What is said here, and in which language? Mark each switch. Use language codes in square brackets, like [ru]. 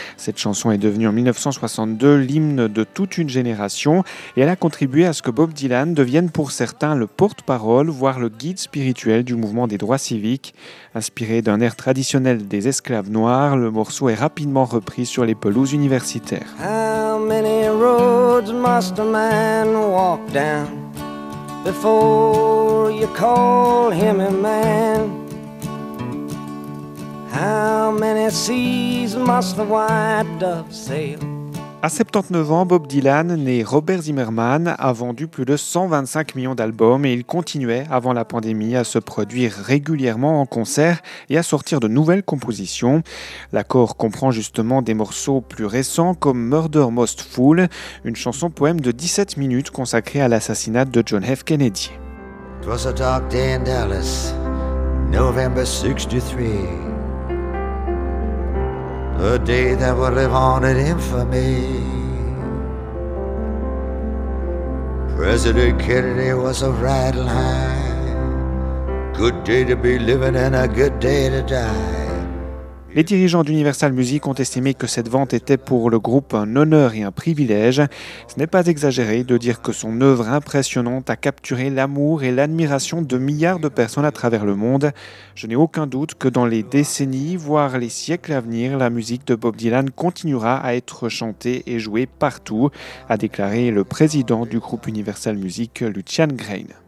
[fr] Cette chanson est devenue en 1962 l'hymne de toute une génération et elle a contribué à ce que Bob Dylan devienne pour certains le porte-parole, voire le guide spirituel du mouvement des droits civiques. Inspiré d'un air traditionnel des esclaves noirs, le morceau est rapidement repris sur les pelouses universitaires. [en] How many roads must a man walk down? Before you call him a man, how many seas must the white dove sail? [fr] À 79 ans, Bob Dylan, né Robert Zimmerman, a vendu plus de 125 millions d'albums et il continuait, avant la pandémie, à se produire régulièrement en concert et à sortir de nouvelles compositions. L'accord comprend justement des morceaux plus récents comme Murder Most Fool, une chanson-poème de 17 minutes consacrée à l'assassinat de John F. Kennedy. [en] T'was a dark day in Dallas, November 63. The day that would live on in infamy. President Kennedy was a riding high. Good day to be living and a good day to die. [fr] Les dirigeants d'Universal Music ont estimé que cette vente était pour le groupe un honneur et un privilège. Ce n'est pas exagéré de dire que son œuvre impressionnante a capturé l'amour et l'admiration de milliards de personnes à travers le monde. Je n'ai aucun doute que dans les décennies, voire les siècles à venir, la musique de Bob Dylan continuera à être chantée et jouée partout, a déclaré le président du groupe Universal Music, Lucian Grain.